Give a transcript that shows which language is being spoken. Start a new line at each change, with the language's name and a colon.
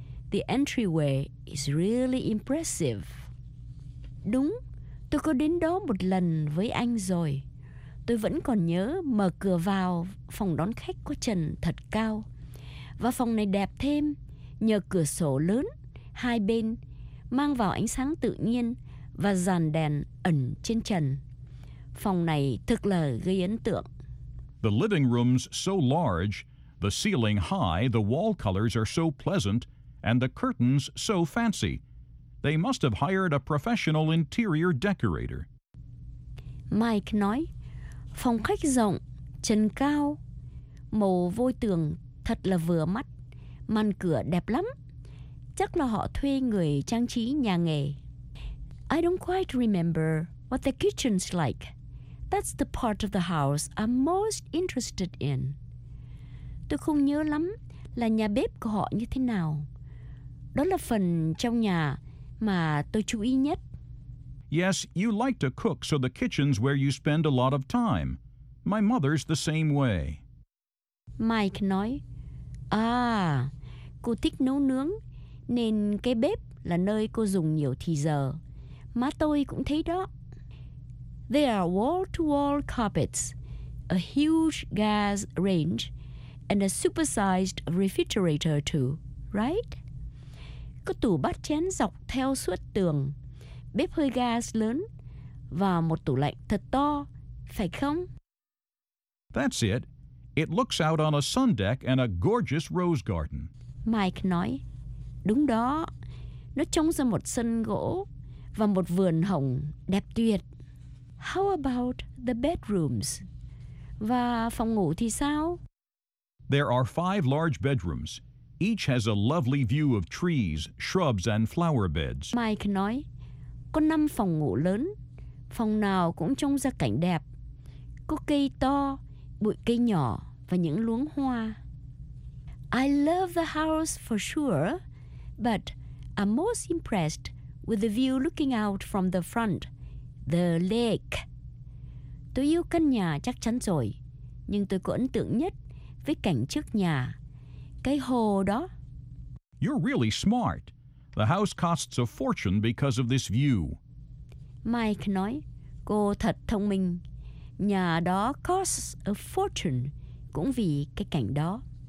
English: The entryway is really impressive.
Vietnamese: Đúng, tôi có đến đó một lần với anh rồi. Tôi vẫn còn nhớ mở cửa vào phòng đón khách có trần thật cao. Và phòng này đẹp thêm nhờ cửa sổ lớn hai bên mang vào ánh sáng tự nhiên và dàn đèn ẩn trên trần. Phòng này thực là gây ấn tượng.
English: The living room's so large, the ceiling high, the wall colors are so pleasant, and the curtains so fancy. They must have hired a professional interior decorator.
Vietnamese: Mike nói, phòng khách rộng, trần cao, màu vôi tường thật là vừa mắt, màn cửa đẹp lắm. Chắc là họ thuê người trang trí nhà nghề.
English: I don't quite remember what the kitchen's like. That's the part of the house I'm most interested in.
Vietnamese: Tôi không nhớ lắm là nhà bếp của họ như thế nào. Đó là phần trong nhà mà tôi chú ý nhất.
English: Yes, you like to cook, so the kitchen's where you spend a lot of time. My mother's the same way.
Vietnamese: Mike nói, à, cô thích nấu nướng, nên cái bếp là nơi cô dùng nhiều thì giờ. Má tôi cũng thấy đó.
English: There are wall-to-wall carpets, a huge gas range, and a supersized refrigerator too, right?
Vietnamese: Có tủ bát chén dọc theo suốt tường, bếp hơi gas lớn, và một tủ lạnh thật to, phải không?
English: That's it. It looks out on a sun deck and a gorgeous rose garden.
Vietnamese: Mike nói, đúng đó, nó trông ra một sân gỗ và một vườn hồng đẹp tuyệt.
English: How about the bedrooms?
Vietnamese: Và phòng ngủ thì sao?
English: There are 5 large bedrooms. Each has a lovely view of trees, shrubs, and flower beds.
Vietnamese: Mike nói, có 5 phòng ngủ lớn. Phòng nào cũng trông ra cảnh đẹp. Có cây to, bụi cây nhỏ và những luống hoa.
English: I love the house for sure, but I'm most impressed with the view looking out from the front, the lake.
Vietnamese: Tôi yêu căn nhà chắc chắn rồi, nhưng tôi có ấn tượng nhất với cảnh trước nhà, cái hồ đó.
English: You're really smart. The house costs a fortune because of this view.
Vietnamese: Mike nói, cô thật thông minh. Nhà đó
English: costs a fortune
Vietnamese: cũng vì cái cảnh đó.